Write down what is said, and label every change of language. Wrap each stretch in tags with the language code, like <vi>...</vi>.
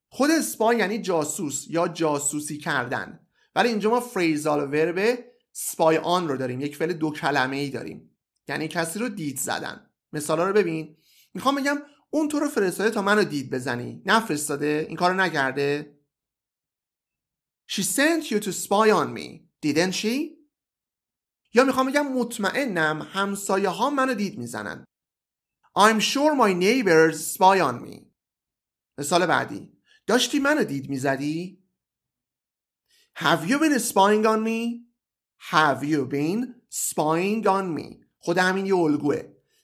<fa>خود سپای یعنی جاسوس یا جاسوسی کردن، ولی اینجا ما فریزال ورب سپایان رو داریم، یک فعل دو کلمه ای داریم، یعنی کسی رو دید زدن. مثالا رو ببین، میخوام بگم اون تو رو فرستاده تا منو دید بزنی. نفرستاده، این کارو نکرده.</fa> <en>She sent you to spy on me, didn't she?</en> <fa>یا میخوام بگم مطمئنم همسایه ها منو دید میزنن.</fa> <en>I'm sure my neighbors spy on me.</en> <fa>مثال بعدی، داشتی منو دید میزدی؟</fa> <en>Have you been spying on me? Have you been spying on me?</en> <fa>خود همین یه الگوه.</fa>